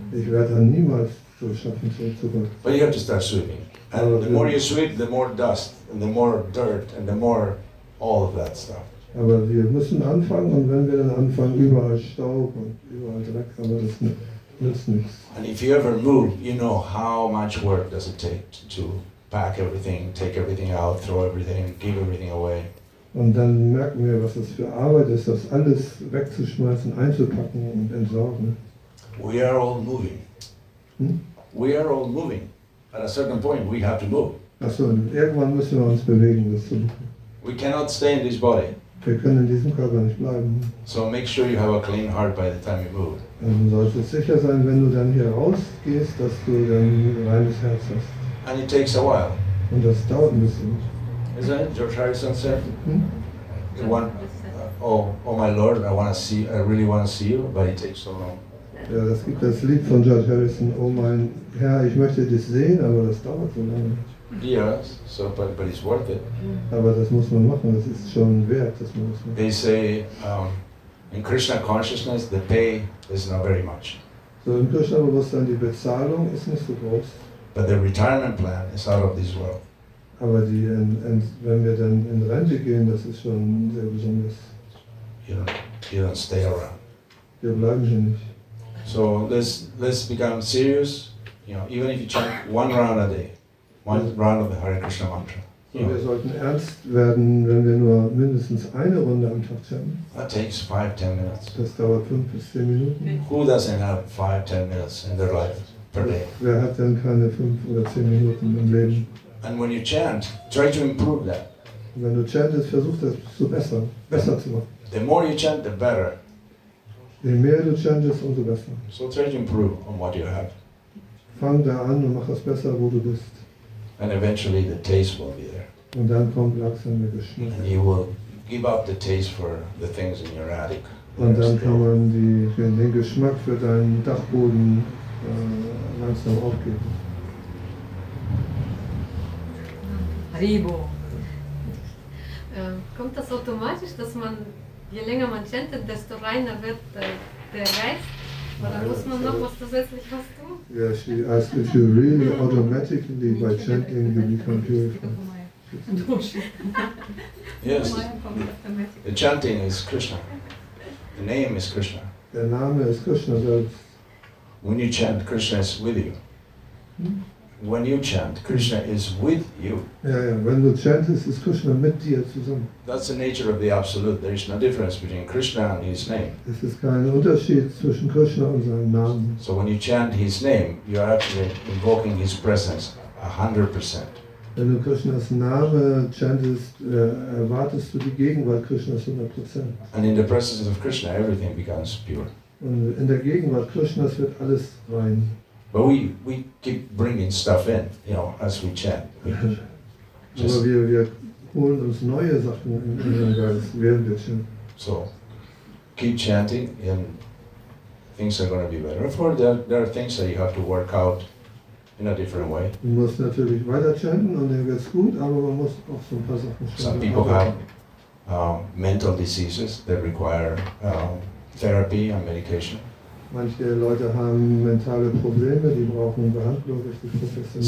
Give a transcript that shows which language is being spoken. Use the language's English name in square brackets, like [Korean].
[German] Ich werde dann niemals so schaffen, so zu Gott. [English] But you have to start sweeping. And the more you sweep, the more dust, and the more dirt, and the more all of that stuff. [German] Aber wir müssen anfangen, und wenn wir dann anfangen, überall Staub und überall Dreck, aber das nützt nichts. [English] And if you ever move, you know how much work does it take to pack everything, take everything out, throw everything, give everything away. [German] Und dann merken wir, was das für Arbeit ist, das alles wegzuschmeißen, einzupacken und entsorgen. [English] We are all moving. We are all moving. At a certain point, we have to move. [German] Also, irgendwann müssen wir uns bewegen, das zu machen. [English] We cannot stay in this body. [German] Wir können in diesem Körper nicht bleiben. [English] So make sure you have a clean heart by the time you move. [German] Dann sollst du sicher sein, wenn du dann hier rausgehst, dass du dann reines Herz hast. [English] And it takes a while. [German] Und das dauert ein bisschen. [English] Is that George Harrison said? Hmm? You want, oh my Lord, I really want to see you, but it takes so long. [German] Ja, das gibt das Lied von George Harrison. Oh mein Herr, ich möchte dich sehen, aber das dauert so lange. [English] Yes, so but it's worth it. [German] Aber das muss man machen. Das ist schon wert, das muss man machen. [English] They say in Krishna consciousness the pay is not very much. [German] So in Krishna Bewusstsein die Bezahlung ist nicht so groß. [English] But the retirement plan is out of this world. [German] Aber die wenn wir dann in Rente gehen, das ist schon sehr besonders. [English] You don't stay around. [German] Wir bleiben hier nicht. [English] So let's become serious, you know, even if you chant one round a day, one round of the Hare Krishna mantra. [German] Und wir sollten ernst werden, wenn wir nur mindestens eine Runde am Tag chanten. [English] That takes 5-10 minutes. [German] Das dauert 5-10 Minuten. [English] Who doesn't have 5-10 minutes in their life per day? [German] Wer hat denn keine 5 oder 10 Minuten im Leben? [English] And when you chant, try to improve that. [German] Wenn du chantest, versuch das zu besser zu machen. [English] The more you chant, the better. [German] Je mehr du chantest, umso besser. [English] So try to improve on what you have. [German] Fang da an und mach es besser, wo du bist. [English] And eventually the taste will be there. [German] Und dann kommt langsam der Geschmack. [English] And you will give up the taste for the things in your attic. [German] Und dann kann man den Geschmack für deinen Dachboden langsam aufgeben. Haribo. Kommt das automatisch, dass man... Je länger man chantet, desto reiner wird der Geist. Aber dann muss man noch so was zusätzlich was tun. [English] Yeah, she asked if you really automatically by chanting you become purified. Yes. The chanting is Krishna. The name is Krishna. [German] Der Name ist Krishna selbst. [English] When you chant, Krishna is with you. When you chant, Krishna is with you. Yeah, yeah. When you chant, is Krishna [German] mit dir zusammen. [English] That's the nature of the Absolute. There is no difference between Krishna and His name. [German] Es ist kein Unterschied zwischen Krishna und seinem Namen. [English] So when you chant His name, you are actually invoking His presence 100%. [German] Wenn du Krishnas Name chantest, erwartest du die Gegenwart Krishnas 100%. [English] And in the presence of Krishna, everything becomes pure. [German] Und in der Gegenwart Krishnas wird alles rein. [English] But we keep bringing stuff in, you know, as we chant. [German] Wir holen uns neue Sachen in unseren Geist, während wir chanten. [English] So, keep chanting and things are going to be better. Of course, there are things that you have to work out in a different way. [German] Man muss natürlich weiter chanten und dann wird's gut, aber man muss auch so ein paar Sachen chanten. [English] Some people have mental diseases that require therapy and medication. [German] Manche Leute haben mentale Probleme, die brauchen Behandlung, richtig professionell.